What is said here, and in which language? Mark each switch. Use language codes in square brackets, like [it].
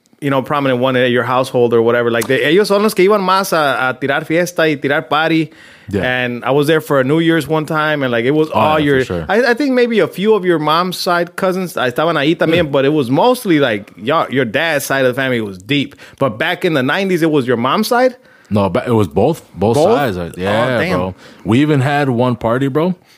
[en] you know, prominent one in your household or whatever. [es] Like, ellos son los que iban más a tirar fiesta y tirar party. [en] Yeah. And I was there for a New Year's one time, and, like, it was I think maybe a few of your mom's side cousins [es] estaban ahí también, [en] but it was mostly, like, your dad's side of the family was deep. But back in the 90s, it was your mom's side? No, but it was both sides. Yeah, oh, bro. We even had one party, bro.